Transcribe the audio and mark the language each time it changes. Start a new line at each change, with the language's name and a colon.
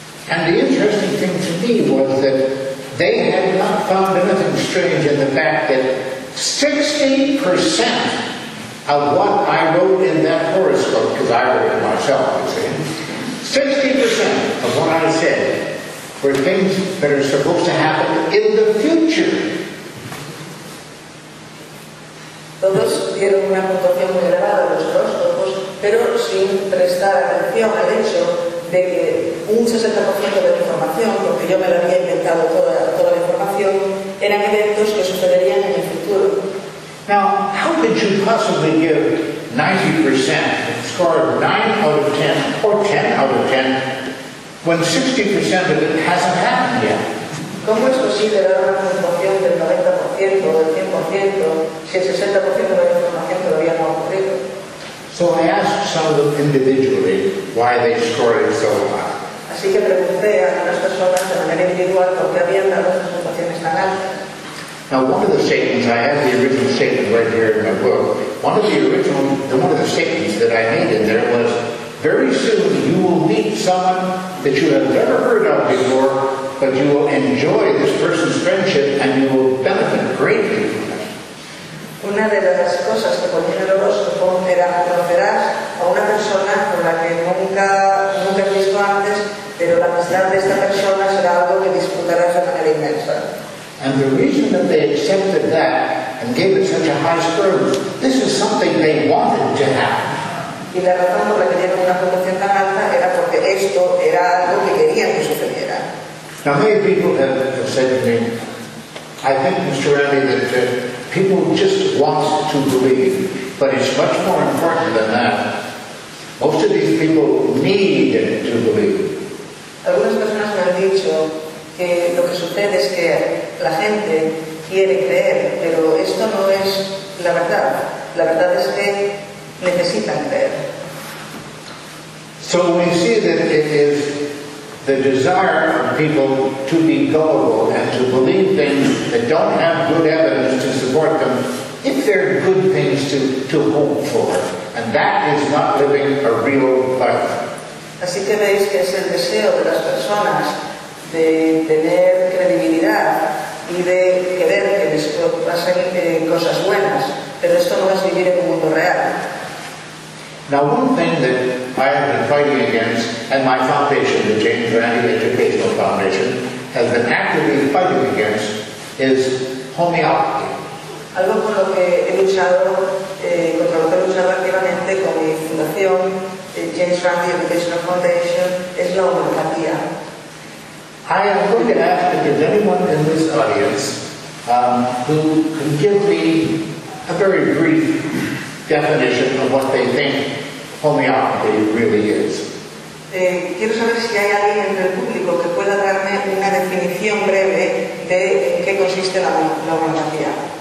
English: And the interesting thing to me was that they had not found anything strange in the fact that 60% of what I wrote in that horoscope, because I wrote it myself, you see, 60% of what I said were things that are supposed to happen in the future.
Spanish: Todos dieron una puntuación muy elevada a los horóscopos, pero sin prestar atención al hecho de que un 60% de la información, porque yo me la había inventado toda la información, eran eventos que sucederían en el futuro.
English: Now, how could you possibly give 90% score of 9 out of 10 or 10 out of 10 when 60% of it hasn't happened yet?
Spanish: ¿Cómo es posible dar una puntuación del 90% o del 100% si el 60% de la información todavía no ha ocurrido?
English: So I asked some of them individually why they scored so high.
Spanish: Así que pregunté a algunas personas de manera individual por qué habían dado estas puntuaciones tan altas.
English: Now, one of the statements, I have the original statement right here in my book. One of the statements that I made in there was, very soon you will meet someone that you have never heard of before, but you will enjoy this person's friendship and you will benefit greatly from it.
Spanish: Una de las cosas que ponía en el horóscopo era, conocerás a una persona con la que nunca has visto antes, pero la amistad de esta persona será algo que disfrutarás de manera inmensa.
English: And the reason that they accepted that and gave it such a high score, this is something they wanted to happen. Now many people have said to me, I think, Mr. Remy, that people just want to believe, but it's much more important than that. Most of these people need to believe.
Spanish: Algunas personas me han dicho que lo que sucede es que la gente quiere creer, pero esto no es la verdad. La verdad es que necesitan creer.
English: So we see that it is the desire of people to be gullible and to believe things that don't have good evidence to support them if there are good things to hope for, and that is not living a real life.
Spanish: Así que veis que es el deseo de las personas de tener credibilidad y de querer que les pasen cosas buenas, pero esto no es vivir en un mundo real.
English: Now, one thing that I have been fighting against, and my foundation, the James Randi Educational Foundation, has been actively fighting against, is homeopathy.
Spanish: Algo por lo que he luchado, contra lo que he luchado activamente con mi fundación, James Randi Educational Foundation, es la homeopatía.
English: I am going to ask if there's anyone in this audience who can give me a very brief definition of what they think homeopathy really is.
Spanish: Quiero saber si hay alguien entre el público que pueda darme una definición breve de qué consiste la homeopatía.